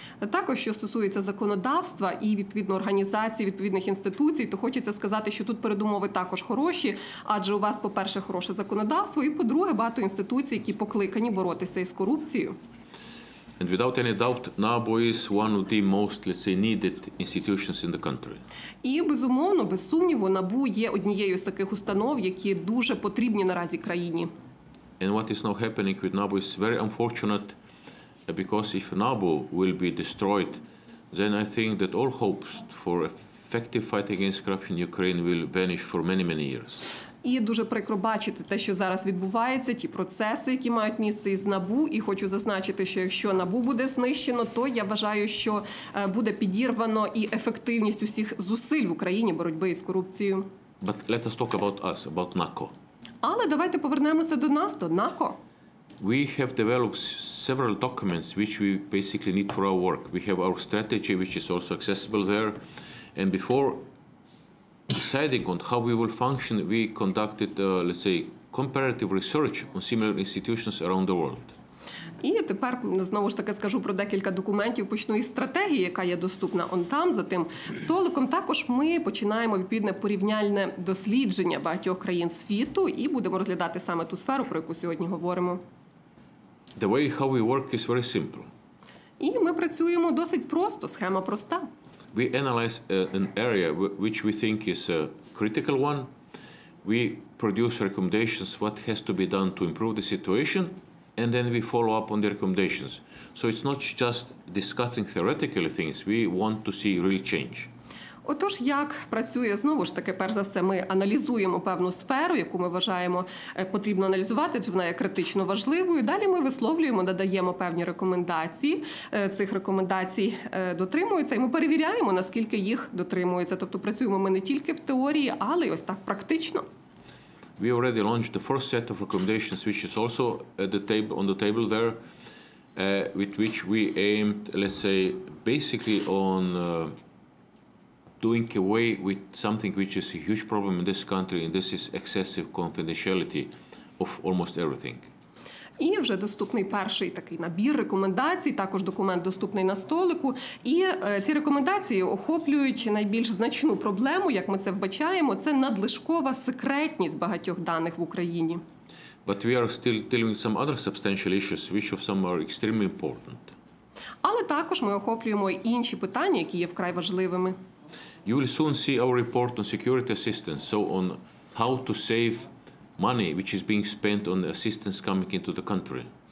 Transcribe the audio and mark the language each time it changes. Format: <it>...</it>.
<uk>Також, що стосується законодавства і, відповідно, організацій, відповідних інституцій, то хочеться сказати, що тут передумови також хороші, адже у вас, по-перше, хороше законодавство і, по-друге, багато інституцій, які покликані боротися із корупцією.</uk> <en>And without any doubt, NABU is one of the most, let's say, needed institutions in the country.</en> <uk>І, безумовно, без сумніву, НАБУ є однією з таких установ, які дуже потрібні наразі країні.</uk> <en>And what is now happening with NABU is very unfortunate, because if NABU will be destroyed, then I think that all hopes for effective fight against corruption in Ukraine will vanish for many, many years.</en> <uk>І дуже прикро бачити те, що зараз відбувається, ті процеси, які мають місце із НАБУ. І хочу зазначити, що якщо НАБУ буде знищено, то я вважаю, що буде підірвано і ефективність усіх зусиль в Україні боротьби із корупцією.</uk> <en>But let us talk about us, about NACO.</en> <uk>Але давайте повернемося до нас, до НАКО.</uk> <en>We have developed several documents, which we basically need for our work. We have our strategy, which is also accessible there. And before deciding on how we will function, we conducted, let's say, comparative research on similar institutions around the world.</en> <uk>І тепер, знову ж таки, скажу про декілька документів. Почну із стратегії, яка є доступна он там, за тим столиком. Також ми починаємо відповідне порівняльне дослідження багатьох країн світу і будемо розглядати саме ту сферу, про яку сьогодні говоримо.</uk> <en>The way how we work is very simple.</en> <uk>І ми працюємо досить просто, схема проста.</uk> <en>We analyze an area which we think is a critical one. we produce recommendations what has to be done to improve the situation, and then we follow up on the recommendations. So it's not just discussing theoretically things, we want to see real change.</en> <uk>Отож, як працює, знову ж таки, перш за все, ми аналізуємо певну сферу, яку ми вважаємо потрібно аналізувати, чи вона є критично важливою. Далі ми висловлюємо, надаємо певні рекомендації, цих рекомендацій дотримуються, і ми перевіряємо, наскільки їх дотримуються. Тобто працюємо ми не тільки в теорії, але й ось так практично.</uk> <en>We already launched the first set of recommendations, which is also at the table, on the table there, with which we aimed, let's say, basically on doing away with something which is a huge problem in this country, and this is excessive confidentiality of almost everything.</en> <uk>І вже доступний перший такий набір рекомендацій, також документ доступний на столику. І ці рекомендації охоплюють найбільш значну проблему, як ми це вбачаємо, це надлишкова секретність багатьох даних в Україні.</uk> <en>But we are still dealing with some other substantial issues, which of some are extremely important.</en> <uk>Але також ми охоплюємо й інші питання, які є вкрай важливими.</uk> <en>You will soon see our report on security assistance, so on how to save money which is being spent on assistance coming into the country.</en>